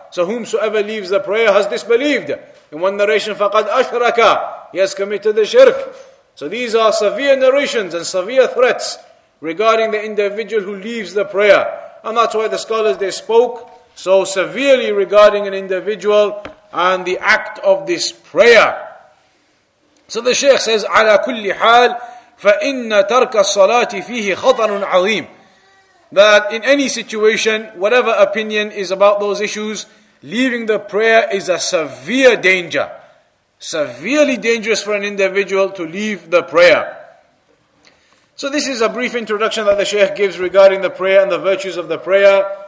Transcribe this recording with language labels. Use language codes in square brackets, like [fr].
[en] So whomsoever leaves the prayer has disbelieved. In one narration, [ar] فَقَدْ أَشْرَكَ. [en] He has committed the shirk. So these are severe narrations and severe threats regarding the individual who leaves the prayer. And that's why the scholars, they spoke so severely regarding an individual and the act of this prayer. So the Shaykh says, [ar] على كل حال فإن ترك الصلاة فيه خطر عظيم. [en] That in any situation, whatever opinion is about those issues, leaving the prayer is a severe danger. Severely dangerous for an individual to leave the prayer. So this is a brief introduction that the Shaykh gives regarding the prayer and the virtues of the prayer.